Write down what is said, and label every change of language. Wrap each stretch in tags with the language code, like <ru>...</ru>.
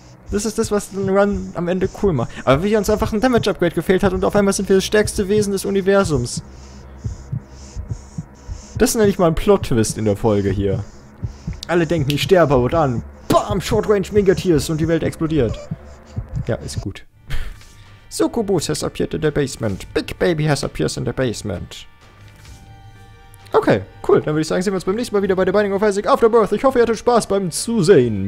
<de>Das ist das, was den Run am Ende cool macht. Aber wie uns einfach ein Damage-Upgrade gefehlt hat und auf einmal sind wir das stärkste Wesen des Universums. Das nenne ich mal einen Plot-Twist in der Folge hier. Alle denken, ich sterbe, aber dann... Bam! Short-Range-Mega-Tears und die Welt explodiert. Ja, ist gut.</de> <en>Succubus has appeared in the basement. Big Baby has appeared in the basement.</en> <de>Okay, cool. Dann würde ich sagen, sehen wir uns beim nächsten Mal wieder bei The Binding of Isaac Afterbirth. Ich hoffe, ihr hattet Spaß beim Zusehen.</de>